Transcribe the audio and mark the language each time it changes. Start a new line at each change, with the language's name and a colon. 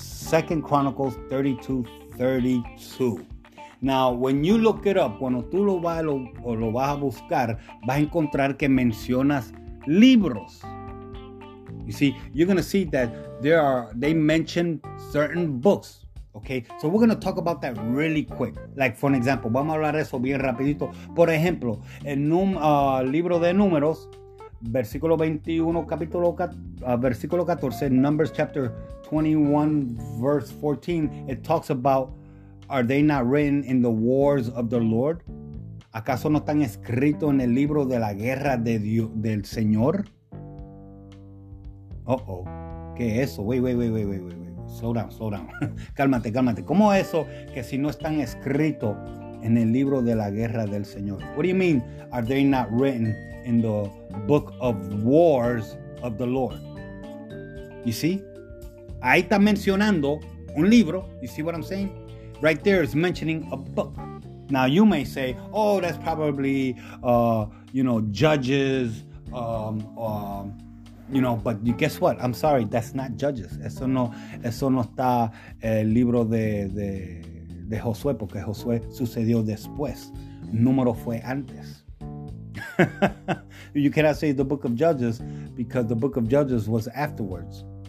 Spanish: 2 Chronicles 32:32.
English: Now, when you look it up,
Spanish: cuando tú lo vas a buscar, vas a encontrar que mencionas libros.
English: You see, you're going to see that they mention certain books. Okay, so we're going to talk about that really quick. Like, for example,
Spanish: vamos a hablar de eso bien rapidito. Por ejemplo, en un libro de números, versículo 21, capítulo versículo 14,
English: Numbers chapter 21, verse 14, it talks about, are they not written in the wars of the Lord?
Spanish: ¿Acaso no están escritos en el libro de la guerra de del Señor? Uh-oh, ¿qué es eso?
English: Wait. Slow down.
Spanish: Cálmate. ¿Cómo eso que si no están escritos en el libro de la guerra del Señor?
English: What do you mean, are they not written in the book of wars of the Lord? You see?
Spanish: Ahí está mencionando un libro.
English: You see what I'm saying? Right there is mentioning a book. Now you may say, oh, that's probably, Judges, you know, but guess what? I'm sorry, that's not Judges.
Spanish: Eso no está el libro de Josué, porque Josué sucedió después. Número fue antes.
English: You cannot say the book of Judges because the book of Judges was afterwards.